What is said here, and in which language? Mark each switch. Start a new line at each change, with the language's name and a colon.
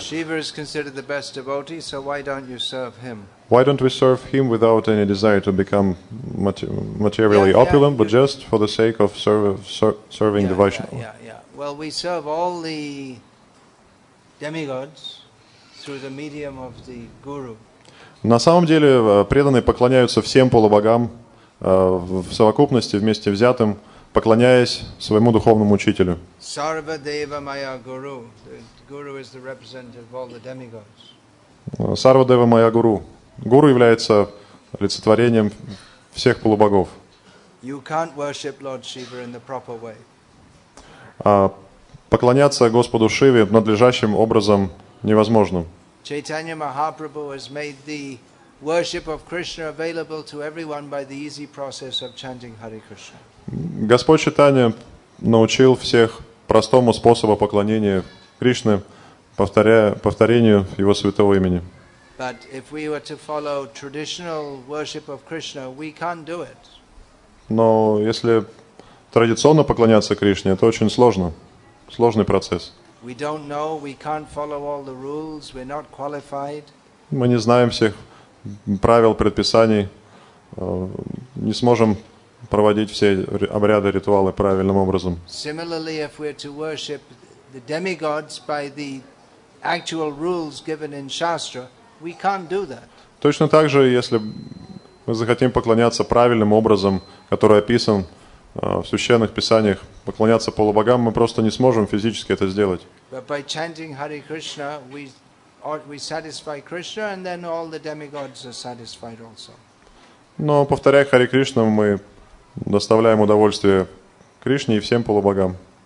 English: Shiva is considered the best devotee, so why don't you serve him? Why don't we serve him without any desire to become materially opulent, but just for the sake of serving the Vaishnava? Yeah. Well, we serve all the demigods through the medium of the guru.
Russian: На самом деле преданные поклоняются всем полубогам, в совокупности, вместе взятым, поклоняясь своему духовному учителю.
Sanskrit: Sarva Deva Maya Guru.
English: The Guru is the representative of all the demigods.
Sanskrit: Sarva Deva Maya Guru.
Russian: Guru является олицетворением всех полубогов.
English: You can't worship Lord Shiva in the proper way.
Russian: Поклоняться Господу Шиве надлежащим образом невозможно.
English: Chaitanya Mahaprabhu has made the worship of Krishna available to everyone by the easy process of chanting Hare Krishna.
Russian: Господь Чайтанья научил всех простому способу поклонения Кришне, повторению его святого имени.
English: But if we were to follow traditional worship of Krishna, we can't do it.
Russian: Но если традиционно поклоняться Кришне, это очень сложно. Сложный процесс.
English: We don't know, we can't follow all the rules, we're not qualified.
Russian: Мы не знаем всех правил, предписаний, не сможем проводить все обряды, ритуалы правильным образом.
English: Similarly, if we're to worship the demigods by the actual rules given in Shastra, we can't do that.
Russian: Точно так же, если мы захотим поклоняться правильным образом, который описан в священных писаниях, поклоняться полубогам, мы просто не сможем физически это сделать.
English: But by chanting Hare Krishna, we satisfy Krishna, and then all the demigods are satisfied also.
Russian: Но повторяя Хари Кришну, мы доставляем удовольствие Кришне и всем полубогам.